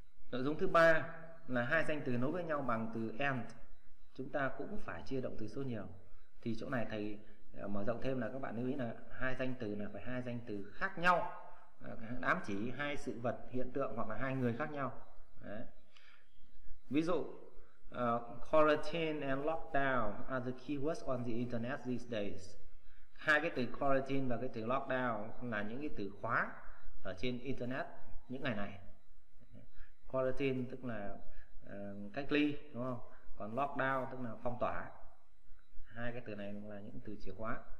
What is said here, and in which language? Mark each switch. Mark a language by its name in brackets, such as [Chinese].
[Vietnamese] Nội dung thứ ba là hai danh từ nối với nhau bằng từ and, chúng ta cũng phải chia động từ số nhiều. Thì chỗ này thầy mở rộng thêm là các bạn lưu ý là hai danh từ là phải hai danh từ khác nhau, ám chỉ hai sự vật, hiện tượng hoặc là hai người khác nhau. Đấy. Ví dụ [English] quarantine and lockdown are the keywords on the internet these days. [Vietnamese] Hai cái từ quarantine và cái từ lockdown là những cái từ khóa ở trên internet những ngày này. Quarantine tức là cách ly, đúng không? Còn lockdown tức là phong tỏa. Hai cái từ này là những từ chìa khóa.